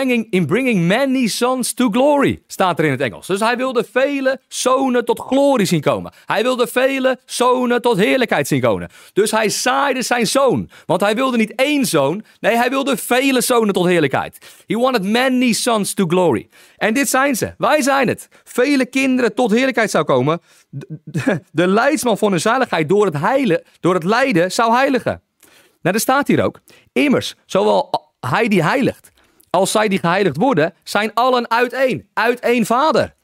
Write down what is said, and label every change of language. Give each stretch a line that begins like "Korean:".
English: In bringing many sons to glory,
Dutch: staat er in het Engels. Dus hij wilde vele zonen tot glorie zien komen. Hij wilde vele zonen tot heerlijkheid zien komen. Dus hij zaaide zijn zoon. Want hij wilde niet één zoon. Nee, hij wilde vele zonen tot heerlijkheid.
English: He wanted many sons to glory.
Dutch: En dit zijn ze. Wij zijn het. Vele kinderen tot heerlijkheid zou komen. De leidsman van hun zaligheid door het lijden zou heiligen. Nou, er staat hier ook. Immers, zowel hij die heiligt, als zij die geheiligd worden, zijn allen uit één vader.